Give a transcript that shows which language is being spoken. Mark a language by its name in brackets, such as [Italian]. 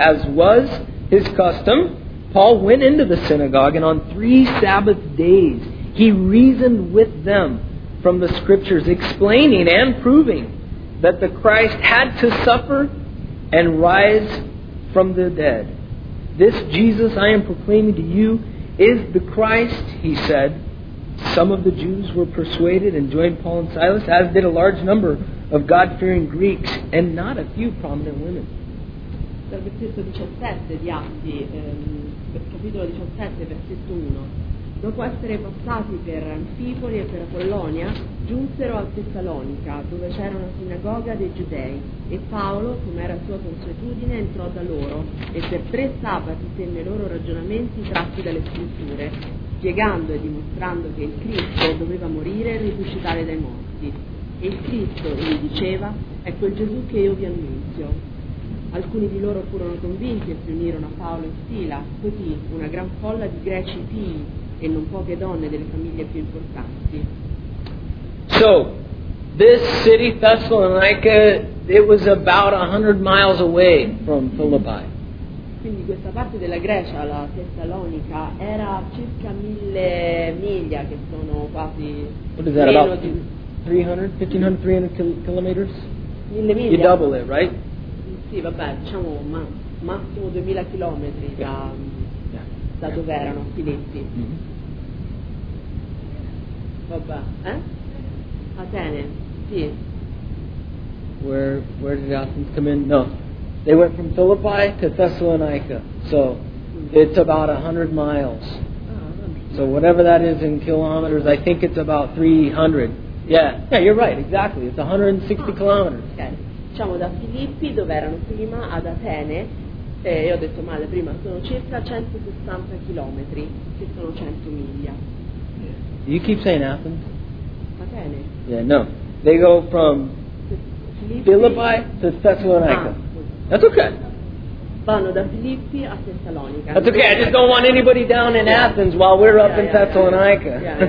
[English] As was his custom, Paul went into the synagogue, and on three Sabbath days he reasoned with them from the scriptures, explaining and proving that the Christ had to suffer and rise from the dead. This Jesus I am proclaiming to you is the Christ, he said. Some of the Jews were persuaded and joined Paul and Silas, as did a large number of God-fearing Greeks and not a few prominent women. [Italian] Dal versetto 17 di Atti, capitolo 17, versetto 1. Dopo essere passati per Anfipoli e per Apollonia, giunsero a Tessalonica, dove c'era una sinagoga dei giudei, e Paolo, come era sua consuetudine, entrò da loro e per tre sabati tenne loro ragionamenti tratti dalle scritture, spiegando e dimostrando che il Cristo doveva morire e risuscitare dai morti. E il Cristo, gli diceva, è quel Gesù che io vi annunzio. Alcuni di loro furono convinti e si unirono a Paolo e Sila, così una gran folla di greci pii e non poche donne delle famiglie più importanti. [English] So, this city, Thessalonica, it was about 100 miles away from Philippi. [Italian] Quindi questa parte della Grecia, la Tessalonica, era circa 1,000 miglia, che sono quasi [English] what is that, [Italian] meno [English] about [Italian] di [English] 300 kilometers? [Italian] 1,000 miglia. [English] You double it, right? [Italian] Sì, vabbè, diciamo massimo 2,000 chilometri da dove erano, Filippi. Vabbè, eh? Atene, sì. [English] Where did Athens come in? No. They went from Philippi to Thessalonica, so it's about 100 miles. So whatever that is in kilometers, I think it's about 300. Yeah, you're right, exactly. It's 160 kilometers. Okay. [Italian] Diciamo da Filippi, dove erano prima, ad Atene, io ho detto male prima, sono circa 160 chilometri, che sono 100 miglia. [English] Do you keep saying Athens? [Italian] Atene? [English] Yeah, no. They go from Philippi to Thessalonica. That's okay. [Italian] Vanno da Filippi a Tessalonica. [English] That's okay. I just don't want anybody down in Athens while we're up in Thessalonica.